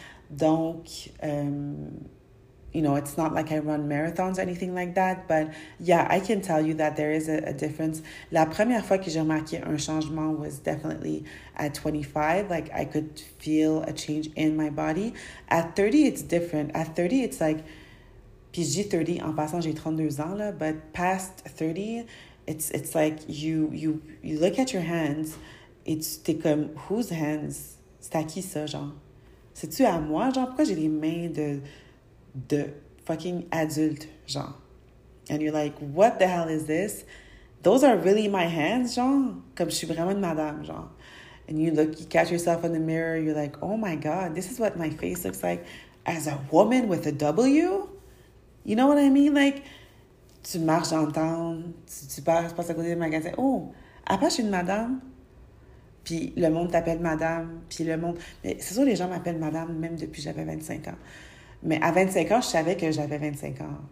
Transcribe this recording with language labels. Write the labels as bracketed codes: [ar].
[en] Donc, it's not like I run marathons or anything like that, but yeah, I can tell you that there is a difference. [fr] La première fois que j'ai remarqué un changement [en] was definitely at 25. Like, I could feel a change in my body. At 30, it's different. At 30, it's like, [fr] puis je dis 30, en passant, j'ai 32 ans, là, [en] but past 30, it's like you look at your hands [fr] et t'es comme, [en] whose hands? [fr] C'est à qui ça, genre? C'est-tu à moi, genre? Pourquoi j'ai les mains de fucking adulte, genre. [en] And you're like, what the hell is this? Those are really my hands, genre. [fr] Comme je suis vraiment une madame, genre. [en] And you look, you catch yourself in the mirror, you're like, oh my God, this is what my face looks like as a woman with a W? You know what I mean? [fr] Like, tu marches dans le town, tu passes à côté des magasins. Oh, après, je suis une madame. Puis le monde t'appelle madame. Puis le monde. Mais c'est sûr, les gens m'appellent madame même depuis que j'avais 25 ans. Mais à 25 ans, je savais que j'avais 25 ans.